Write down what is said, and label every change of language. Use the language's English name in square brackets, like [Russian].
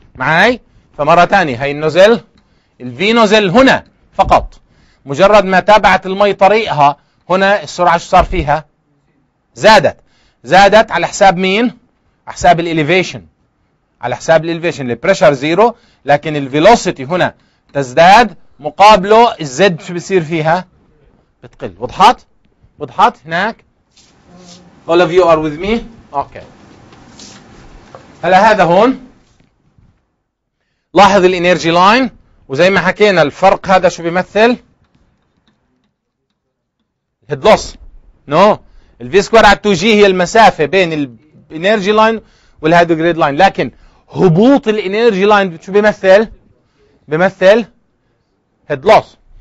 [Arabic] معي؟ فمره ثانيه هي النزل، الفي نزل هنا فقط، مجرد ما تابعت المي طريقها هنا السرعه شو صار فيها؟ زادت على حساب مين؟ حساب الاليفيشن، على حساب الاليفيشن. البريشر زيرو لكن الفيلوسيتي هنا تزداد، مقابله الزد شو بيصير فيها؟ بتقل. وضحت هناك؟ [English] all of you are with me. [Arabic] اوكي، هلا هذا هون لاحظ الانرجي لاين، وزي ما حكينا الفرق هذا شو بيمثل؟ هيد لوس. نو، الفي سكوير على 2 جي هي المسافه بين الانرجي لاين والهيدروجريد لاين، لكن هبوط الانرجي لاين شو بيمثل؟ بيمثل هيد لوس.